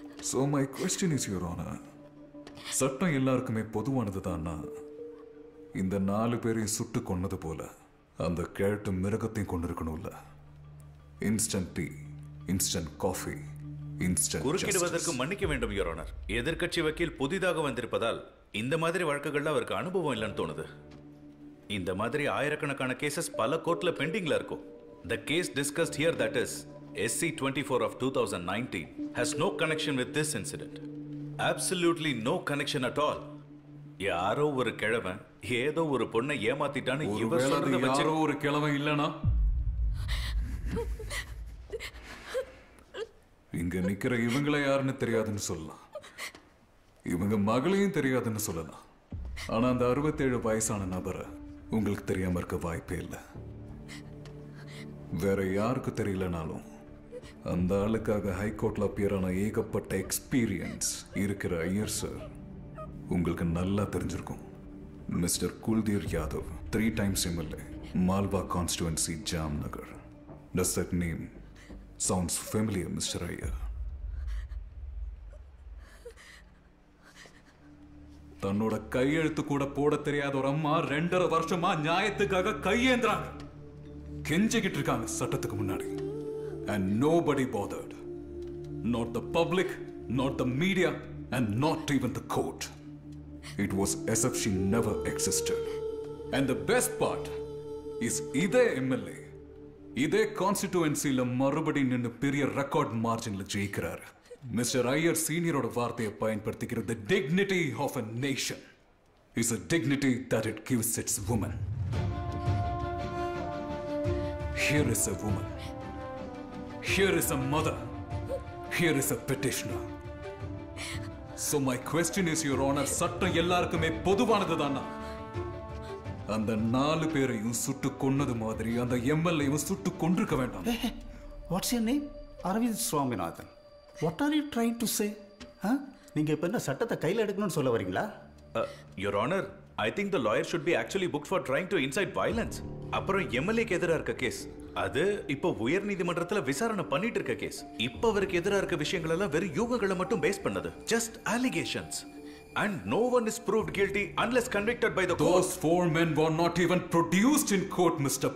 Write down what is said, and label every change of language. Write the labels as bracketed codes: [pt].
[en] so my question is your honour, [ta] சட்டம் எல்லாருக்குமே பொதுவானது தான்னா, இந்த 4 பேரையும் சுட்டு கொன்னது போல அந்த கேரட்டும் மிருகத்தையும் கொண்டிருக்கணும்ல? [en] instant tea, instant coffee, instant [ta] குறுக்கிடுவதற்கு மன்னிக்க வேண்டும் யுவர் ஆனர். எதிர்கட்சி வக்கீல் புதிதாக வந்திருப்பதால் இந்த மாதிரி வழக்குகள்ல அவருக்கு அனுபவம் இல்லைன்னு தோணுது. இந்த மாதிரி ஆயிரக்கணக்கான கேசஸ் பல கோர்ட்ல பெண்டிங்ல இருக்கும். [en] The case discussed here, that is SC 24 of 2019, has no connection with this incident. Absolutely no connection at all. [ta] யாரோ ஒரு கிழவன் ஏதோ ஒரு பொண்ணை ஏமாத்திட்டான்னு இவர் சொல்றத வச்சு. யாரோ ஒரு கிழவன் இல்லனா இங்க நிக்கிற இவங்கள யாருன்னு தெரியாதுன்னு சொல்லலாம், இவங்க மகளையும் தெரியாதுன்னு சொல்லலாம். ஆனா அந்த 67 வயசான நபரை உங்களுக்கு தெரியாம இருக்க வாய்ப்பே இல்லை. வேற யாருக்கு தெரியலனாலும் அந்த ஆளுக்காக ஹைகோர்ட்ல அப்பியரான ஏகப்பட்ட எக்ஸ்பீரியன்ஸ் இருக்கிற ஐயர் சார் உங்களுக்கு நல்லா தெரிஞ்சிருக்கும். [en] Mister Kuldir Yadav, 3 times MLA, Malwa constituency, Jamnagar. Does that name sounds familiar, Mr. Iyer? [ta] தன்னோட கையெழுத்து கூட போட தெரியாத ஒரு அம்மா 2.5 வருஷமா நியாயத்துக்காக கையேந்திராங்க, கெஞ்சிக்கிட்டு இருக்காங்க சட்டத்துக்கு முன்னாடி. [en] And nobody bothered. Not the public, not the media, and not even the court. It was as if she never existed. And the best part is, [ta] இதே MLA, இதே கான்ஸ்டிடியூன்சியில மறுபடி நின்று பெரிய ரெக்கார்ட் மார்ஜின்ல ஜெயிக்கிறாரு. மிஸ்டர் ஐயர் சீனியரோட வார்த்தையை பயன்படுத்திக்கிற, [en] the dignity of a nation is a dignity that it gives its women. Here is a woman, here is a mother, here is a petitioner. So my question is, your honor, [ta] சட்டம் எல்லாருக்குமே பொதுவானது தானா? அந்த 4 பேரையும் சுட்டு கொன்னது மாதிரி அந்த எம்எல்ஏவும் சுட்டு கொன்றிருக்க வேண்டாம். [en] What's your name? Aravind Swaminathan. What are you trying to say? [ta] நீங்க இப்ப என்ன சட்டத்தை கையில எடுக்கணும்னு சொல்ல வரீங்களா? [en] Your honor, I think the lawyer should be actually booked for trying to incite violence. [ta] அப்புறம் எம்எல்ஏக்கு எதிராக இருக்க கேஸ், அது இப்போ உயர் நீதிமன்றத்தில் விசாரணை பண்ணிட்டு இருக்க கேஸ். இப்போ அவருக்கு எதிராக இருக்க விஷயங்கள் எல்லாம் வெறும் யூகங்களை மட்டும் பேஸ் பண்ணது. [en] Just allegations. And no one is proved guilty unless convicted by the court. Those 4 men were not even produced in court, Mr.